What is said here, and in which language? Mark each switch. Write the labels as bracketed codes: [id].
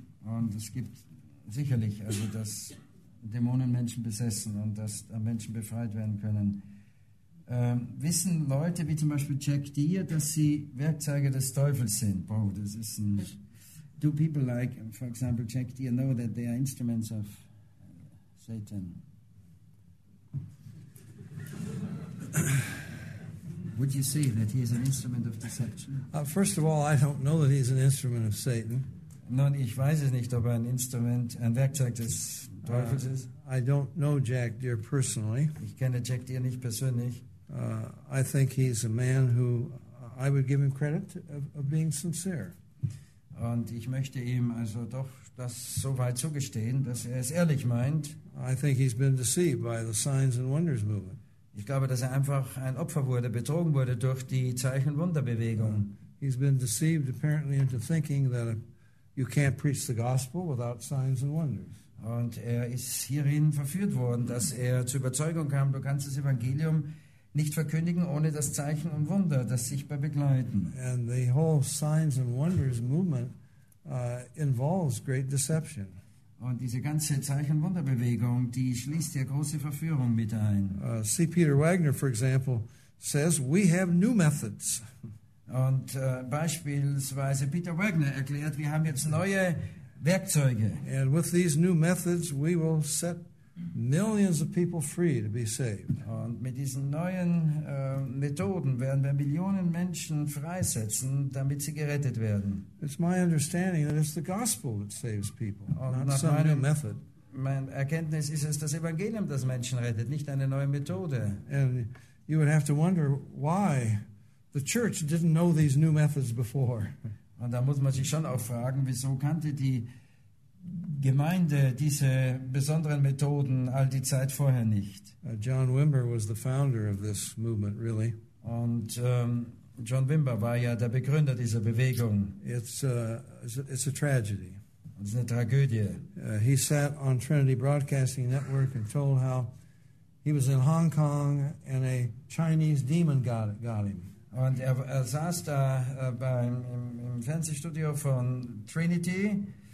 [de] Und es gibt sicherlich, also dass Dämonen Menschen besessen und dass Menschen befreit werden können. Wissen Leute wie zum Beispiel Jack Deere, dass sie Werkzeuge des Teufels sind? Wow, das ist ein... [en] Do people like, for example, Jack Deere know that they are instruments of Satan? Would you say that he is an instrument of deception? First of all, I don't know that he's an instrument of Satan. [de] Nun, ich weiß es nicht, ob er ein Instrument, ein Werkzeug des Teufels ist. [en] I don't know Jack Deere personally. [de] Ich kenne Jack Deere nicht persönlich. [en] I think he's a man who I would give him credit of being sincere. [de] Und ich möchte ihm also doch das so weit zugestehen, dass er es ehrlich meint. [en] I think he's been deceived by the signs and wonders movement. [de] Ich glaube, dass er einfach ein Opfer wurde, betrogen wurde durch die Zeichen- und Wunderbewegung. [en] He's been deceived apparently into thinking that you can't preach the gospel without signs and wonders. [de] Und er ist hierin verführt worden, dass er zur Überzeugung kam, du kannst das Evangelium nicht verkündigen ohne das Zeichen und Wunder, das sich bei begleiten. [en] And the whole signs and wonders movement involves great deception. [de] Und diese ganze Zeichen- und Wunderbewegung, die schließt ja große Verführung mit ein. [en] C. Peter Wagner, for example, says we have new methods. [de] Und beispielsweise Peter Wagner erklärt, wir haben jetzt neue Werkzeuge. [en] And with these new methods, we will set millions of people free to be saved. [de] Und mit diesen neuen Methoden werden wir Millionen Menschen freisetzen, damit sie gerettet werden. [en] It's my understanding that it's the gospel that saves people, not some new method. [de] Mein Erkenntnis ist es, das Evangelium, das Menschen rettet, nicht eine neue Methode. [en] And you would have to wonder why the church didn't know these new methods before. [de] Und da muss man sich schon auch fragen, wieso kannte die Gemeinde diese besonderen Methoden all die Zeit vorher nicht. [en] John Wimber was the founder of this movement, really. [de] Und John Wimber war ja der Begründer dieser Bewegung. [en] It's a tragedy. [de] Es ist eine Tragödie. [en] He sat on Trinity Broadcasting Network and told how he was in Hong Kong and a Chinese demon got him. [de] Und er saß da im Fernsehstudio von Trinity.